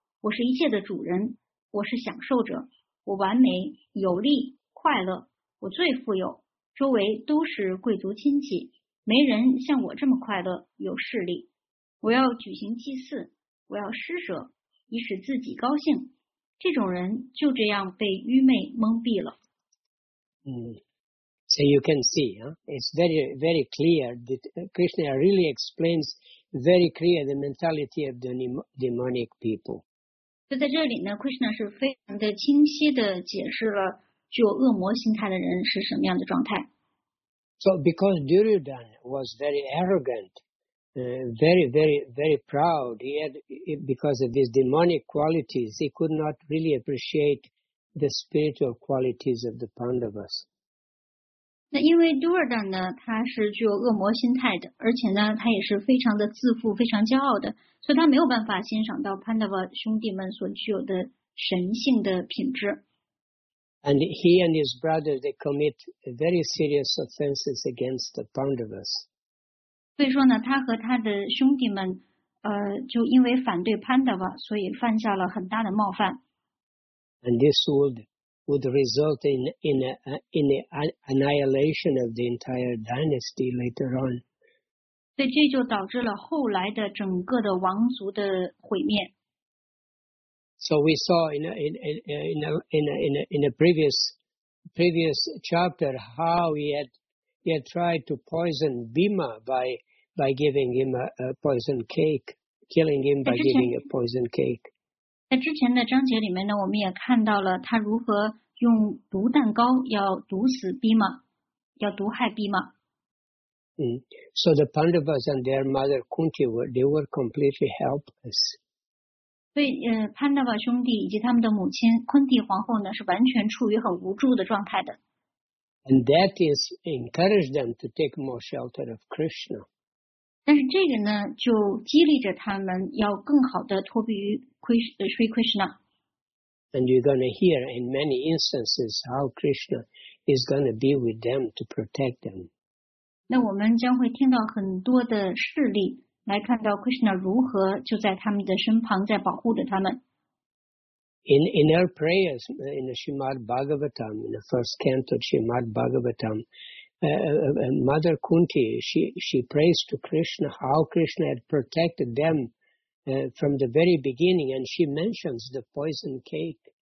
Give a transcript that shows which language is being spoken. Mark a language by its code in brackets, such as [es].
[zh] 我是一切的主人，我是享受者。我完美、有力、快乐，我最富有，周围都是贵族亲戚，没人像我这么快乐、有势力。我要举行祭祀，我要施舍，以使自己高兴。这种人就这样被愚昧蒙蔽了。 [en] So you can see, it's very, very clear that Krishna really explains very clear the mentality of the demonic people. [zh] 就在这里呢 ，Krishna 是非常的清晰的解释了具有恶魔心态的人是什么样的状态。 [en] So because Duryodhana was very arrogant, very very very proud, he had because of his demonic qualities, he could not really appreciate the spiritual qualities of the Pandavas. [zh] 那因为 Duryodhana 呢，他是具有恶魔心态的，而且呢，他也是非常的自负、非常骄傲的。所以他没有办法欣赏到 Pandava 兄弟们所具有的神性的品质。 [en] And he and his brother, they commit very serious offenses against the Pandavas. [zh] 所以说呢，他和他的兄弟们，就因为反对 Pandava, 所以犯下了很大的冒犯。 [en] And this would result in the annihilation of the entire dynasty later on. [zh] 所以这就导致了后来的整个的王族的毁灭。 [en] So we saw in a previous chapter how he had tried to poison Bhima by giving him a poison cake, killing him by giving a poison cake. [zh] 在之前的章节里面呢，我们也看到了他如何用毒蛋糕要毒死毕马，要毒害毕马。 [en] So the Pandavas and their mother Kunti were completely helpless. [zh] 对，潘达瓦兄弟以及他们的母亲昆蒂皇后呢，是完全处于很无助的状态的。 [en] And that is encouraged them to take more shelter of Krishna. [zh] 但是这个呢，就激励着他们要更好的托庇于 Sri Krishna. [en] And you're going to hear in many instances how Krishna is going to be with them to protect them. [zh] 那我们将会听到很多的事例，来看到 Krishna 如何就在他们的身旁，在保护着他们。 [en] In our prayers in the Srimad Bhagavatam, in the first canto of Srimad Bhagavatam, Mother Kunti, she prays to Krishna how Krishna had protected them from the very beginning, and she mentions the poison cake.